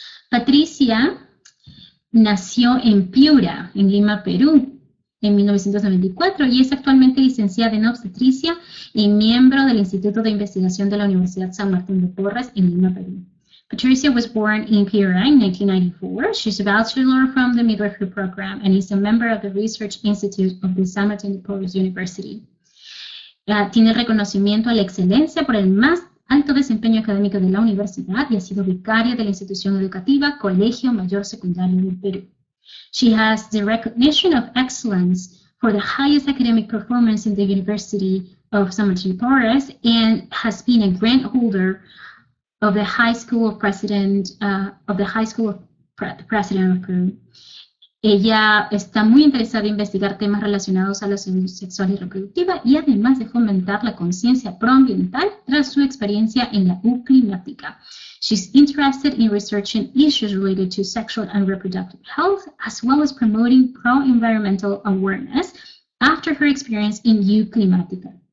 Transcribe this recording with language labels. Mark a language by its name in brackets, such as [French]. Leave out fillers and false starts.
[Spanish] Patricia nació en Piura, en Lima, Perú, en 1994 y es actualmente licenciada en obstetricia y miembro del Instituto de Investigación de la Universidad San Martín de Porres en Lima, Perú. [English] Patricia was born in Piura in 1994. She's a bachelor from the midwifery program and is a member of the Research Institute of the San Martín de Porres University. [Spanish] Tiene reconocimiento a la excelencia por el más alto desempeño académico de la universidad y ha sido vicaria de la institución educativa Colegio Mayor Secundario del Perú. [English] She has the recognition of excellence for the highest academic performance in the University of San Martín de Porres and has been a grant holder of the High School of President of the High School of the President of Peru. [Spanish] Ella está muy interesada en investigar temas relacionados a la salud sexual y reproductiva y además de fomentar la conciencia proambiental tras su experiencia en la U climática. [English] She's interested in researching issues related to sexual and reproductive health as well as promoting pro-environmental awareness after her experience in U climática.